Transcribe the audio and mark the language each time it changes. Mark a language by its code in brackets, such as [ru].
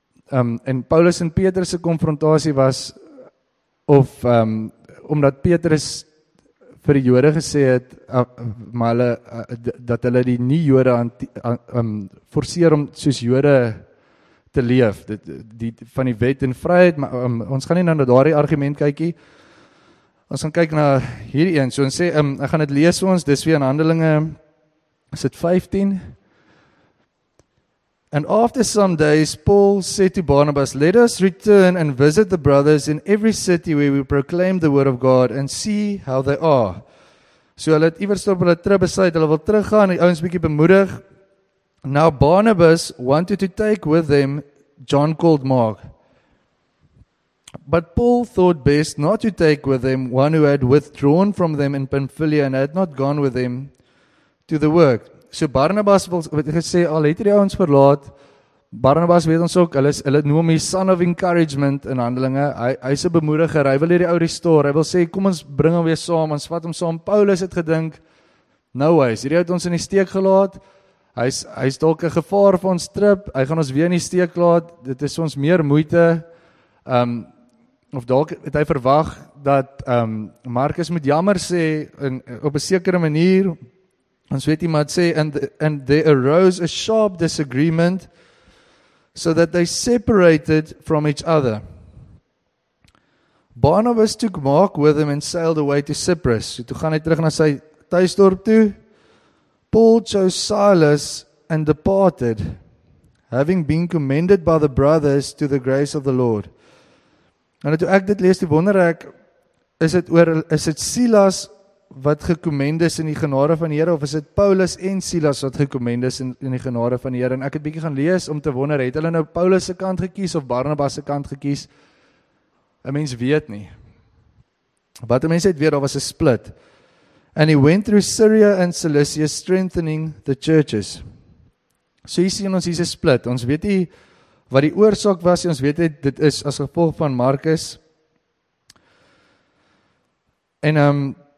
[af] En Paulus en Petrus se konfrontasie was, of omdat Petrus vir die Jode gesê het, maar hulle, dat hulle die nie-Jode forceer om soos Jode te leef, die van die wet en vryheid, maar ons gaan nie na daardie argument kykie, ons gaan kyk na hierdie een, so ons sê, ek gaan dit lees vir ons, dis weer in Handelinge, is dit 15? [en] And after some days, Paul said to Barnabas, let us return and visit the brothers in every city where we proclaim the word of God and see how they are. [af] So hulle het iewers op hulle trip besluit, hulle wil teruggaan, die ouens bietjie bemoedig. [en] Now Barnabas wanted to take with them John called Mark. But Paul thought best not to take with them one who had withdrawn from them in Pamphylia and had not gone with them to the work. [af] So Barnabas wil gesê, al het die ouens verlaat, Barnabas weet ons ook, hulle noem die [en] son of encouragement [af] in Handelinge, hy is 'n bemoediger, hy wil hierdie ou restore, hy wil sê, kom ons bring hom weer saam, ons vat hom saam, Paulus het gedink, nou hy is, hierdie het ons in die steek gelaat, hy is dalk 'n gevaar vir ons trip, hy gaan ons weer in die steek laat, dit is ons meer moeite, of dalk het hy verwag, dat Markus moet jammer sê, en, op 'n sekere manier, ons weet nie, maar het sê, [en] and there arose a sharp disagreement, so that they separated from each other. Barnabas took Mark with him and sailed away to Cyprus. [af] So, toe gaan hy terug na sy tuisdorp toe. [en] Paul chose Silas and departed, having been commended by the brothers to the grace of the Lord. [af] En toe ek dit lees, die wonder ek, is het Silas wat gekomend is in die genade van die Here, of is dit Paulus en Silas wat gekomend is in die genade van die Here? En ek het bietjie gaan lees om te wonder, het hulle nou Paulus se kant gekies of Barnabas se kant gekies? 'N mens weet nie. Wat 'n mens het weet, daar was 'n split. [en] And he went through Syria and Cilicia strengthening the churches. [af] So hier sien ons hier 'n split. Ons weet nie wat die oorsaak was, ons weet het, dit is as gevolg van Markus. En